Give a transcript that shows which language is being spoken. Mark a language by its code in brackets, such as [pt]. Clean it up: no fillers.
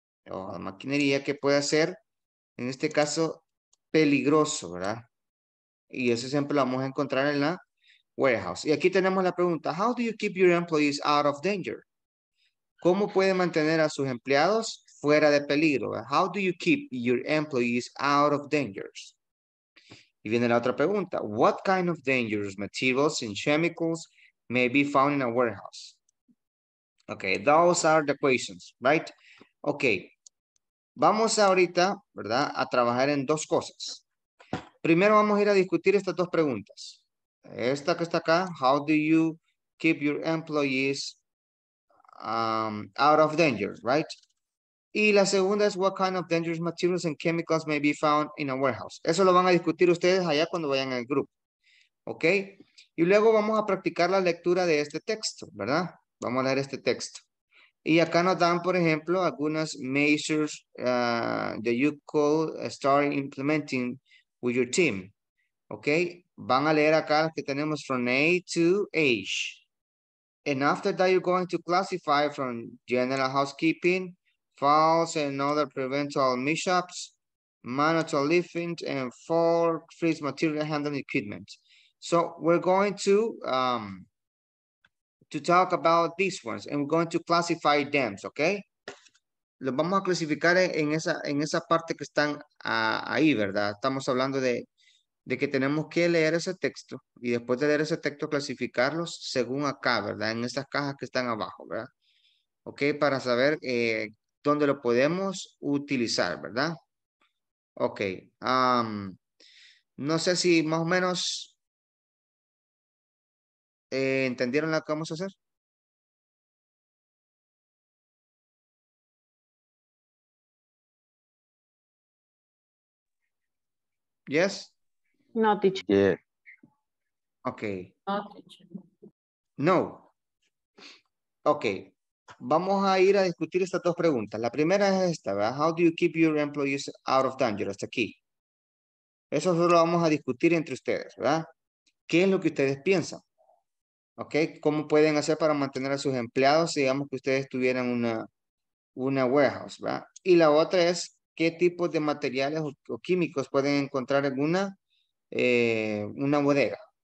[es] O la maquinería que puede ser, en este caso, peligroso, ¿verdad? Y eso siempre lo vamos a encontrar en la warehouse. Y aquí tenemos la pregunta, [en] how do you keep your employees out of danger? [es] ¿Cómo puede mantener a sus empleados fuera de peligro? [en] How do you keep your employees out of dangers? [es] Y viene la otra pregunta, [en] what kind of dangerous materials and chemicals may be found in a warehouse? Okay, those are the questions, right? Okay, [es] vamos ahorita, ¿verdad? A trabajar en dos cosas. Primero vamos a ir a discutir estas dos preguntas. Esta que está acá, [en] how do you keep your employees out of danger, right? [es] Y la segunda es [en] what kind of dangerous materials and chemicals may be found in a warehouse. [es] Eso lo van a discutir ustedes allá cuando vayan al grupo, ¿ok? Y luego vamos a practicar la lectura de este texto, ¿verdad? Vamos a leer este texto. Y acá nos dan, por ejemplo, algunas [en] measures that you could start implementing with your team, [es] ¿ok? Van a leer acá que tenemos [en] from A to H. And after that, you're going to classify from general housekeeping, falls and other preventable mishaps, manual lifting, and four freeze material handling equipment. So we're going to talk about these ones, and we're going to classify them, okay? [es] Los vamos a clasificar en esa parte que están ahí, ¿verdad? Estamos hablando de que tenemos que leer ese texto, y después de leer ese texto, clasificarlos según acá, ¿verdad? En esas cajas que están abajo, ¿verdad? Okay, para saber dónde lo podemos utilizar, ¿verdad? Okay, no sé si más o menos entendieron lo que vamos a hacer. [en] Yes? No, teacher. Yeah. Okay. No, teacher. No. Okay. [es] Vamos a ir a discutir estas dos preguntas. La primera es esta, ¿verdad? [en] How do you keep your employees out of danger? [es] Hasta aquí. Eso solo lo vamos a discutir entre ustedes, ¿verdad? ¿Qué es lo que ustedes piensan? ¿Ok? ¿Cómo pueden hacer para mantener a sus empleados si digamos que ustedes tuvieran una warehouse, ¿verdad? Y la otra es, ¿qué tipo de materiales o químicos pueden encontrar en una bodega?